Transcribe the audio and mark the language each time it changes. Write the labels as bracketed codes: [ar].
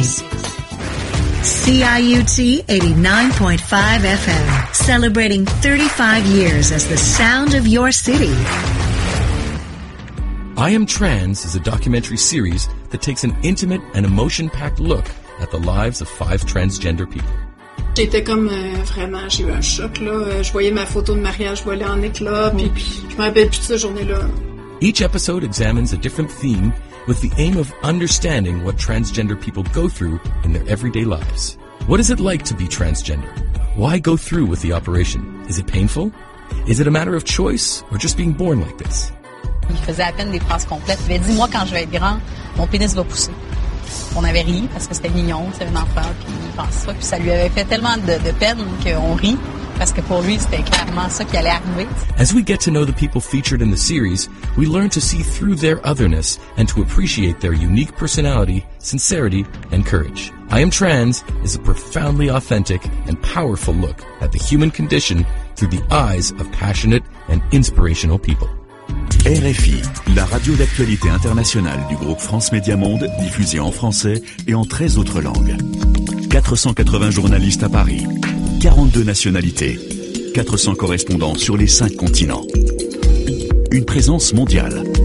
[en] CIUT 89.5 FM, celebrating 35 years as the sound of your city. I Am Trans is a documentary series that takes an intimate and emotion-packed look at the lives of five transgender people. [fr] J'étais comme vraiment, j'ai eu un choc là. Je voyais ma photo de mariage voler en éclats, puis je me rappelle plus de cette journée-là. [en] Each episode examines a different theme with the aim of understanding what transgender people go through in their everyday lives. What is it like to be transgender? Why go through with the operation? Is it painful? Is it a matter of choice or just being born like this? [fr] Il faisait à peine des phrases complètes. Il avait dit, moi, quand je vais être grand, mon pénis va pousser. On avait ri parce que c'était mignon, c'était un enfant, puis il pense ça. Puis ça lui avait fait tellement de peine qu'on rit, parce que pour lui, c'était clairement ça qui allait arriver. [en] As we get to know the people featured in the series, we learn to see through their otherness and to appreciate their unique personality, sincerity, and courage. I Am Trans is a profoundly authentic and powerful look at the human condition through the eyes of passionate and inspirational people. [fr] RFI, la radio d'actualité internationale du groupe France Média Monde, diffusée en français et en 13 autres langues. 480 journalistes à Paris, 42 nationalités, 400 correspondants sur les 5 continents. Une présence mondiale.